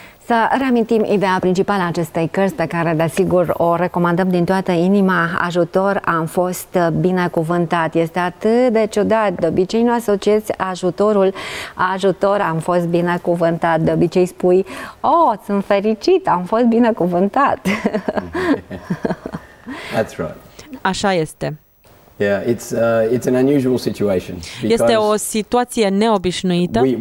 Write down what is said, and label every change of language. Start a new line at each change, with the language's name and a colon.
Romanian: Să reamintim ideea principală a acestei cărți, pe care de sigur o recomandăm din toată inima. Ajutor, am fost binecuvântat. Este atât de ciudat. De obicei nu asociezi ajutorul. Ajutor, am fost binecuvântat. De obicei spui, sunt fericit, am fost binecuvântat.
English: That's right.
Romanian: Așa este.
English: Yeah, it's an unusual situation.
Romanian: Este o situație neobișnuită.